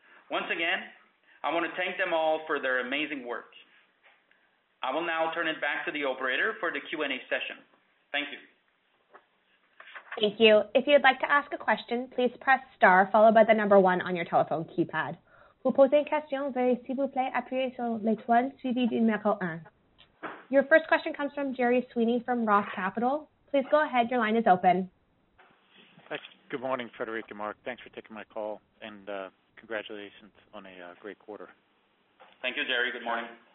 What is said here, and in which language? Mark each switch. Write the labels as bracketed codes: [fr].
[en] Once again, I want to thank them all for their amazing work. I will now turn it back to the operator for the Q&A session. Thank you. Thank you. If you'd like to ask a question, please press star followed by the number one on your telephone keypad. [fr] Vous posez une question, veuillez s'il vous plaît appuyer sur l'étoile suivi du numéro un. [en] Your first question comes from Jerry Sweeney from Roth Capital. Please go ahead. Your line is open. Good morning, Frederic and Mark. Thanks for taking my call, and congratulations on a great quarter. Thank you, Jerry. Good morning.